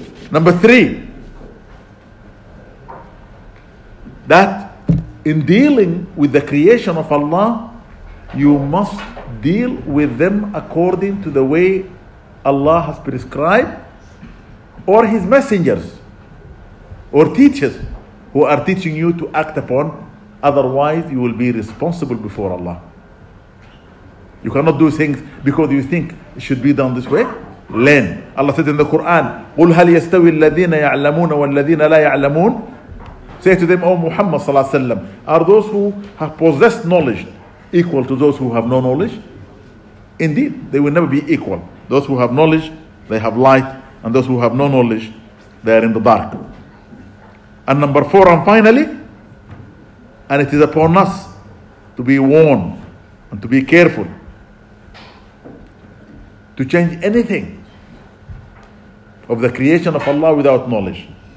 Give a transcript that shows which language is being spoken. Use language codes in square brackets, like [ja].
[en] Number three, that in dealing with the creation of Allah, you must deal with them according to the way Allah has prescribed or his messengers or teachers who are teaching you to act upon, otherwise you will be responsible before Allah. You cannot do things because you think it should be done this way. Learn. Allah said in the Quran, [ar] قُلْ هَلْ يَسْتَوِي الَّذِينَ يَعْلَمُونَ وَالَّذِينَ لَا يَعْلَمُونَ. [en] Say to them, O Muhammad [ar] صلى الله عليه وسلم, [en] are those who have possessed knowledge equal to those who have no knowledge? Indeed, they will never be equal. Those who have knowledge, they have light, and those who have no knowledge, they are in the dark. And number four, and finally, and it is upon us to be warned and to be careful to change anything of the creation of Allah without knowledge.